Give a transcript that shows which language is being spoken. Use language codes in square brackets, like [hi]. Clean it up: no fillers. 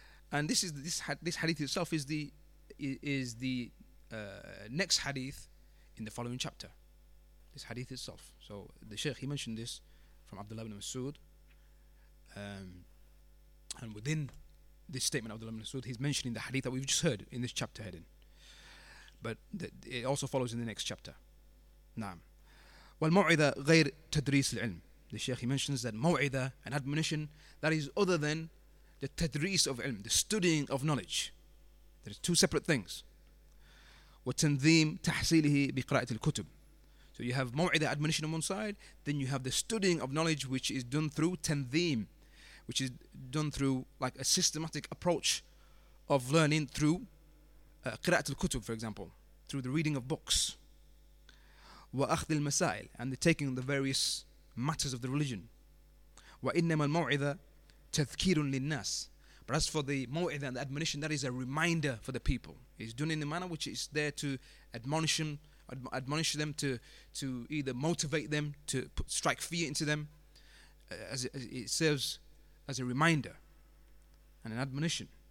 [en] And this hadith itself is the next hadith in the following chapter. This hadith itself. So the Shaykh, he mentioned this from Abdullah ibn Masud. And within this statement of Abdullah ibn Masud, he's mentioning the hadith that we've just heard in this chapter heading. But it also follows in the next chapter. Naam. [ar] والموعظة غير تدريس العلم. [en] The Shaykh, he mentions that موعظة, an admonition, that is other than the تدريس of علم, the studying of knowledge. There are two separate things. [ar] وتنظيم تحصيله بقراءة الكتب. [en] So you have موعظة, admonition on one side, then you have the studying of knowledge, which is done through تنظيم, which is done through like a systematic approach of learning through [ar] قراءة الكتب, [en] for example, through the reading of books. [ar] وأخذ المسائل, [en] and the taking of the various matters of the religion. [ar] وإنما الموعظة تذكير للناس. [en] But as for the موعظة and the admonition, that is a reminder for the people. It's done in a manner which is there to admonish them, to either motivate them, to put, strike fear into them, as it serves as a reminder and an admonition.